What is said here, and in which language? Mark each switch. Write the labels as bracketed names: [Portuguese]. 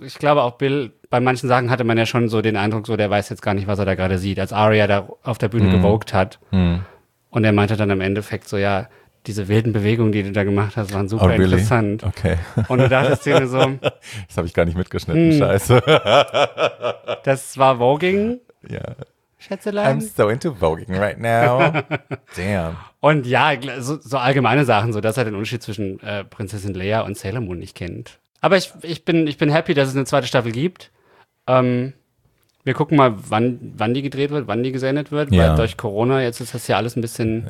[German] Ich glaube auch, Bill, bei manchen Sachen hatte man ja schon so den Eindruck, so der weiß jetzt gar nicht, was er da gerade sieht. Als Aria da auf der Bühne gewogt hat. Und er meinte dann im Endeffekt so, ja, diese wilden Bewegungen, die du da gemacht hast, waren super interessant. Okay. Und du dachtest dir so, das habe ich gar nicht mitgeschnitten, Scheiße. Das war Voguing. Ja. Yeah. Schätzelein. [English] I'm so into Voguing right now. Damn. [German] Und ja, so allgemeine Sachen, so dass er den Unterschied zwischen Prinzessin Leia und Sailor Moon nicht kennt. Aber ich bin happy, dass es eine zweite Staffel gibt. Wir gucken mal, wann die gedreht wird, wann die gesendet wird. Yeah. Weil durch Corona, jetzt ist das ja alles ein bisschen.